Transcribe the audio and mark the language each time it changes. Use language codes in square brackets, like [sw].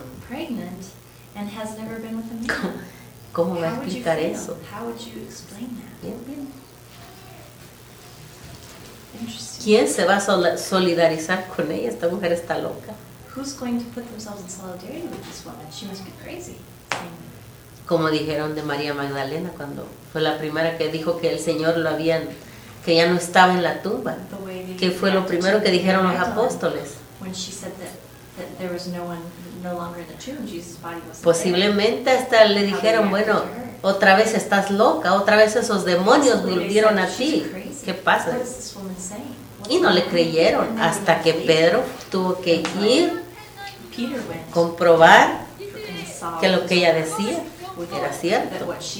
[en] pregnant and has never been with a man. [es] ¿Cómo va a explicar eso? [en] How would you explain that? [es] Bien. ¿Quién se va a solidarizar con ella? Esta mujer está loca. [en] Who's going to put themselves in solidarity with this woman? She must be crazy. [es] Como dijeron de María Magdalena, cuando fue la primera que dijo que el Señor lo había, que ya no estaba en la tumba, que fue lo primero que dijeron los apóstoles. [en] When she said that there was no one no longer in the tomb, Jesus' body was. [es] Posiblemente hasta le dijeron, bueno, otra vez estás loca, otra vez esos demonios volvieron a ti. ¿Qué pasa? Y no le creyeron hasta que Pedro tuvo que ir comprobar que lo que ella decía era cierto.